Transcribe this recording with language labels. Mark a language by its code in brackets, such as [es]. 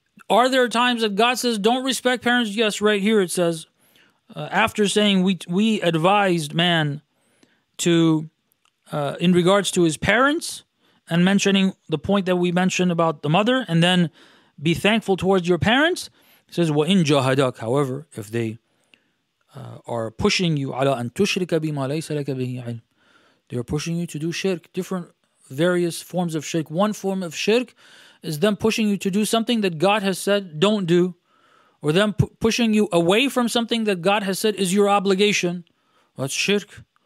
[en] Are there times that God says, don't respect parents? Yes, right here it says, after saying we advised man to in regards to his parents and mentioning the point that we mentioned about the mother and then be thankful towards your parents. It says, [ar] وَإِن جَهَدَكَ. [en] However, if they are pushing you, [ar] عَلَىٰ أَن تُشْرِكَ بِمَا لَيْسَ لَكَ بِهِ عِلْمٍ. [en] They are pushing you to do shirk, different various forms of shirk. One form of shirk is them pushing you to do something that God has said don't do, or them pushing you away from something that God has said is your obligation. That's shirk.